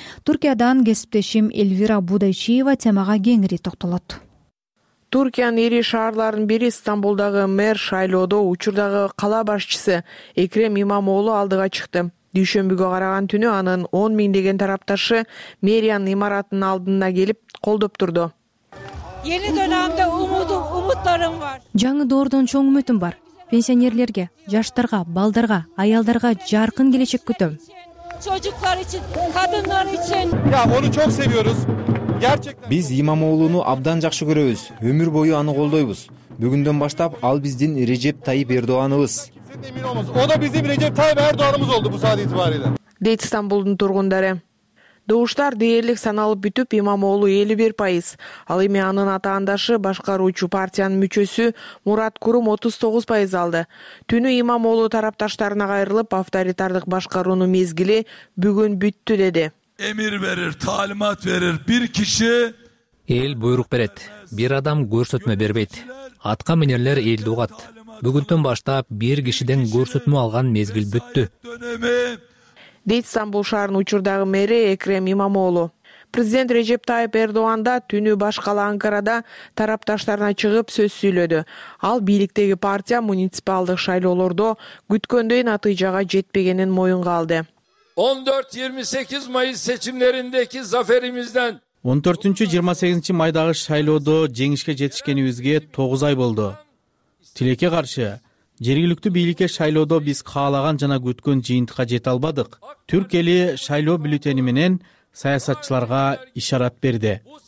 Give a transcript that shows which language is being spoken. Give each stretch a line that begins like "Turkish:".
Kyrgyz: Түркиядан кесиптешим Эльвира Будайчиева темага кеңири токтолот. Түркиянын ири шаарларынын бири Стамбулдагы мэр шайлоодо учурдагы кала башчысы Экрем Имамоглу алдыга чыкты. Дүйшөмбүгө караган түнү анын 10,000 деген тарапташы мэриянын имаратынын алдына келип колдоп турду.
Turkish: Yeni dönemde umutlarım var.
Kyrgyz: Жаңы доордон чоң үмүтүм бар. Пенсионерлерге, жаштарга, балдарга, аялдарга жаркын келечек күтөм.
Turkish: Çocuklar için, kadınlar için. Ya onu çok seviyoruz. Gerçekten.
Kyrgyz: Биз Имамоглуну абдан жакшы көрөбүз. Өмүр бою аны колдойбуз. Бүгүндөн баштап ал биздин Реджеп Тайип Эрдоганыбыз.
Turkish: O da bizim Recep Tayyip Erdoğan'ımız oldu bu saat itibariyle.
Kyrgyz: Дейт Стамбулдун тургундары. Добуштар дээрлик саналып бүтүп, Имамоглу 51%, ал эми анын атаандашы башкаруучу партиянын мүчөсү Мурат Курум 39% алды. Түнү Имамоглу тарапташтарына кайрылып, авторитардык башкаруунун мезгили бүгүн бүттү деди.
Turkish: Эмир берир, таалимат берир, бир киши
Kyrgyz: эл буйрук берет, бир адам көрсөтмө бербейт. Атка минерлер элди угат. Бүгүнтөн баштап бир кишиден көрсөтмө алган мезгил бүттү. Дейт Стамбул шаарынын учурдагы мэри Экрем Имамоглу. Президент Реджеп Тайип Эрдоган да түнү баш калаа Анкарада тарапташтарына чыгып сөз сүйлөдү. Ал бийликтеги партия муниципалдык шайлоолордо күткөндөй натыйжага жетпегенин моюнга алды.
Turkish: 14-28 Mayıs seçimlerindeki zaferimizden
Kyrgyz: 14-28 майдагы шайлоодо жеңишке жетишкенибизге 9 ай болду. Тилекке каршы жергиликтүү бийликке шайлоодо биз каалаган жана күткөн жыйынтыкка жете албадык. Түрк эли шайлоо бюллетени менен саясатчыларга ишарат берди.